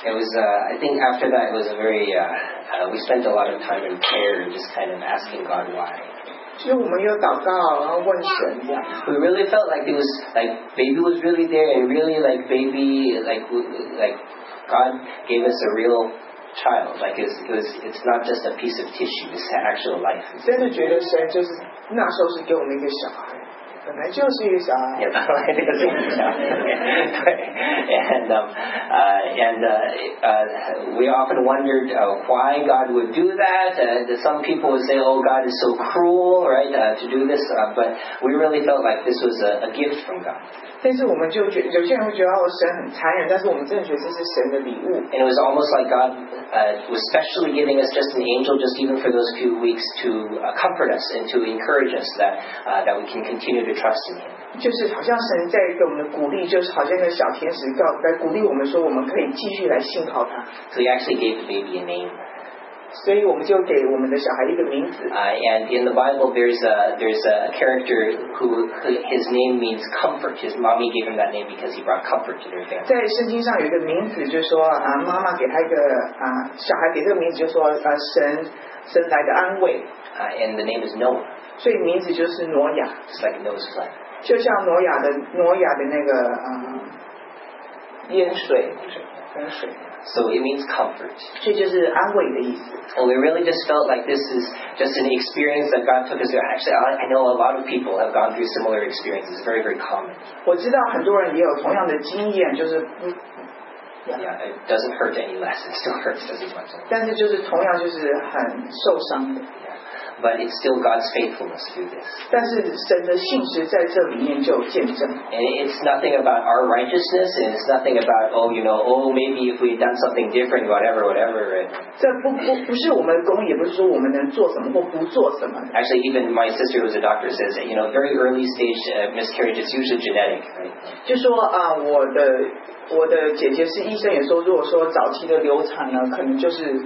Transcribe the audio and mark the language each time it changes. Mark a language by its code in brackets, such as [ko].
[en] And I think after that it was a very, we spent a lot of time in prayer and just kind of asking God why. [zh] 就我们又祷告，然后问神这样。 [en] We really felt like it was like baby was really there, and really like baby like God gave us a real child. Like it's not just a piece of tissue; it's an actual life. [zh] 真的觉得神就是那时候是给我们一个小孩，本来就是一个小孩。 Yeah, 本来就是一个小孩。对。 [en] We often wondered why God would do that. Some people would say, oh, God is so cruel, right, to do this. But we really felt like this was a gift from God. [zh] 但是我们就觉得有些人会觉得哦，神很残忍，但是我们真的觉得这是神的礼物。 [en] And it was almost like God was specially giving us just an angel just even for those few weeks to comfort us and to encourage us that we can continue to trust in him. [zh] 就是好像神在给我们鼓励，就是好像那小天使在鼓励我们说，我们可以继续来信靠他。 [en] So he actually gave the baby a name. [zh] 所以我们就给我们的小孩一个名字。 [en] And in the Bible, there's a character who his name means comfort. His mommy gave him that name because he brought comfort to their family. [zh] 在圣经上有一个名字，就是说啊，妈妈给他一个啊，小孩给这个名字，就是说啊，神来的安慰。 [en] And the name is Noah. [zh] 所以名字就是挪亚。 [en] It's like Noah's flood. [zh] 就像挪亚的那个淹水， [en] So it means comfort. [zh] 这就是安慰的意思。 [en] And we really just felt like this is just an experience that God took us through. Actually, I know a lot of people have gone through similar experiences. It's very, very common. [zh] 我知道很多人也有同样的经验，就是。 [en] Yeah, it doesn't hurt any less. It still hurts just as much. [zh] 但是就是同样就是很受伤的。 [en] But it's still God's faithfulness through this. [zh] 但是神的信实在这里面就见证。 [en] And it's nothing about our righteousness, and it's nothing about, oh, you know, oh, maybe if we had done something different, whatever, whatever. [zh] 这不是我们的功，也不是说我们能做什么或不做什么。 [en] Actually, even my sister, who's a doctor, says that, you know, very early stage miscarriage is usually genetic, right? [zh] 就说啊，我的姐姐是医生，也说，如果说早期的流产呢，可能就是。